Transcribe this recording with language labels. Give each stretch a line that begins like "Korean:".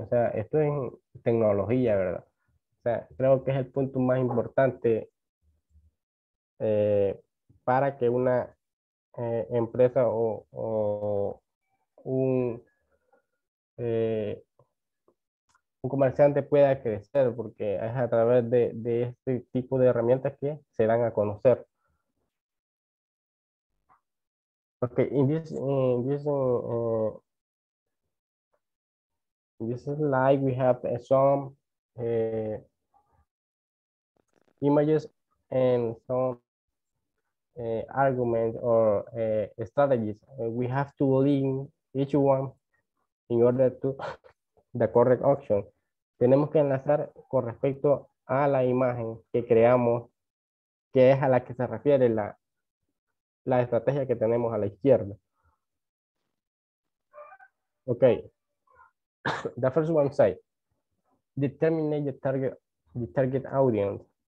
Spanish: O sea, esto es tecnología, ¿verdad? O sea, creo que es el punto más importante para que una empresa o un un comerciante pueda crecer, porque es a través de este tipo de herramientas que se dan a conocer.
English: Okay, in this slide we have some images and some arguments or strategies. We have to link each one in order to the correct option.
Spanish: Tenemos que enlazar con respecto a la imagen que creamos, que es a la que se refiere la estrategia que tenemos a la izquierda.
English: Okay. The first one says, determine the target audience.